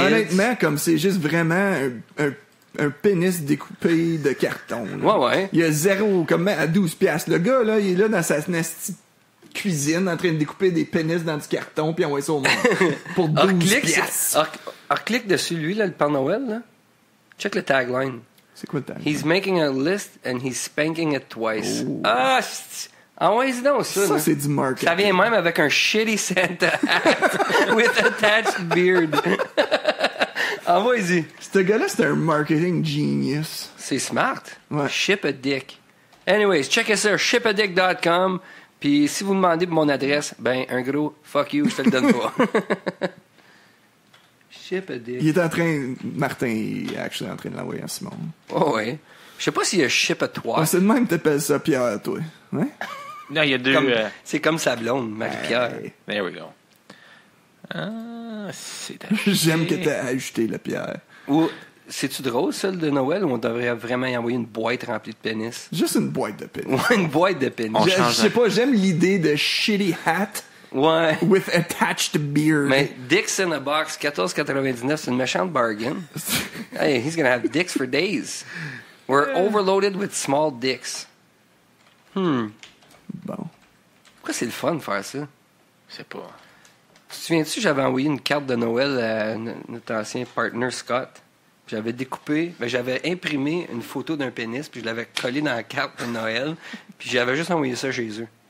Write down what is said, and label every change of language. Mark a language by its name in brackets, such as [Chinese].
[French] Honnêtement, comme c'est juste vraiment un pénis découpé de carton. Là. Ouais, ouais. Il y a zéro, comme à 12 piastres. Le gars, là, il est là dans sa nasty cuisine en train de découper des pénis dans du carton puis envoyer ça au monde pour 12 piastres. Or-click dessus, lui, là, le Père Noël, là. Check le tagline. C'est quoi le tagline? [English] He's making a list and he's spanking it twice. Oh. [French] Ah, envoyez-y donc ça. Ça, c'est du marketing. Ça vient même avec un [English] shitty Santa hat with attached beard. [French] Envoyez-y. Ce gars-là, c'est un [English] marketing genius. [French] C'est smart. Ouais. [English] Ship a dick. Anyways, check it out, shipadick.com. [French] Puis si vous demandez mon adresse, ben, un gros fuck you, je te le donne pas. [English] Ship a dick. [French] Il est en train, Martin, il est actually en train de l'envoyer à Simon. Oh, ouais. Je sais pas s'il y a ship a toi. Ouais, c'est de même que t'appelles ça Pierre, toi. Ouais? Non, il y a deux. Comme, c'est comme sa blonde, Marie-Pierre. [English] Hey. There we go. [French] Ah, c'est j'aime que t'aies ajouté la pierre. Ou c'est-tu drôle, celle de Noël, ou on devrait vraiment y envoyer une boîte remplie de pénis? Juste une boîte de pénis. Ouais, une boîte de pénis. Je sais pas, j'aime l'idée de [English] shitty hat. [French] Ouais. [English] With attached beard. [French] Mais [English] dicks in a box, [French] 14,99, c'est une méchante bargain. [English] Hey, he's gonna have dicks for days. We're overloaded with small dicks. [French] Bon. Pourquoi c'est le fun de faire ça? C'est pas. Tu te souviens-tu, j'avais envoyé une carte de Noël à notre ancien partner Scott. Puis j'avais découpé, ben j'avais imprimé une photo d'un pénis, puis je l'avais collé dans la carte de Noël, puis j'avais juste envoyé ça chez eux.